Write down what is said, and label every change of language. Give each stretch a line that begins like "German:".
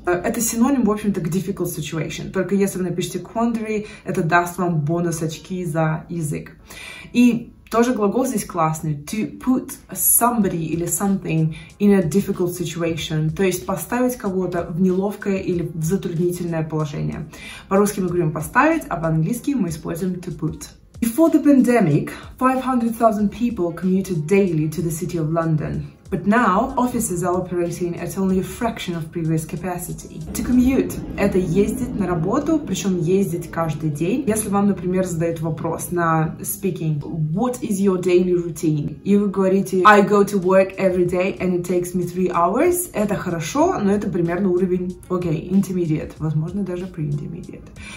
Russian: Это синоним, в общем-то, к
English: difficult situation.
Russian: Только если вы напишите quandary, это даст вам бонус очки за язык. И тоже глагол здесь классный.
English: To put somebody
Russian: или
English: something in a difficult situation.
Russian: То есть поставить кого-то в неловкое или в затруднительное положение. По-русски мы говорим поставить, а по-английски мы используем to put.
English: Before the pandemic, 500,000 people commuted daily to the city of London. But now offices are operating at only a fraction of previous capacity. To commute
Russian: – это ездить на работу, причем ездить каждый день. Если вам, например, задают вопрос на speaking,
English: what is your daily routine?
Russian: И вы говорите,
English: I go to work every day and it takes me 3 hours.
Russian: Это хорошо, но это примерно уровень, окей, intermediate, возможно, даже pre-intermediate.